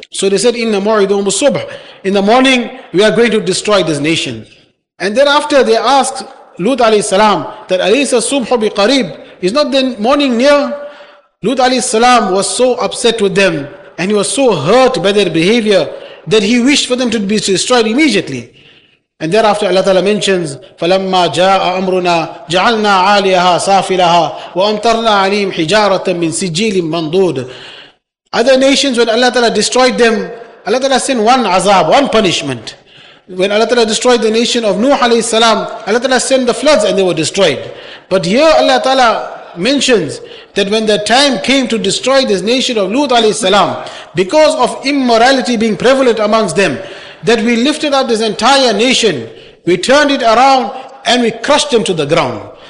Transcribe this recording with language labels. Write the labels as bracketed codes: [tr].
[en] So they said, inna mu'idum subh, in the morning we are going to destroy this nation. And thereafter they asked Lut alayhi salam that alaysa subhu biqareeb, is not the morning near? Lut alayhi salam was so upset with them and he was so hurt by their behavior that he wished for them to be destroyed immediately. And thereafter Allah Ta'ala mentions, [ar] فَلَمَّا جَاءَ أَمْرُنَا جَعَلْنَا عَالِيَهَا سَافِلَهَا وَأَمْتَرْنَا عَلِيمْ حِجَارَةً مِّن سِجِّيلٍ مَنْضُودٍ. [en] Other nations, when Allah Ta'ala destroyed them, Allah Ta'ala sent one azab, one punishment. When Allah Ta'ala destroyed the nation of Nuh alayhi salam, Allah Ta'ala sent the floods and they were destroyed. But here Allah Ta'ala mentions that when the time came to destroy this nation of Lut alayhi salam, because of immorality being prevalent amongst them, that we lifted up this entire nation, we turned it around and we crushed them to the ground.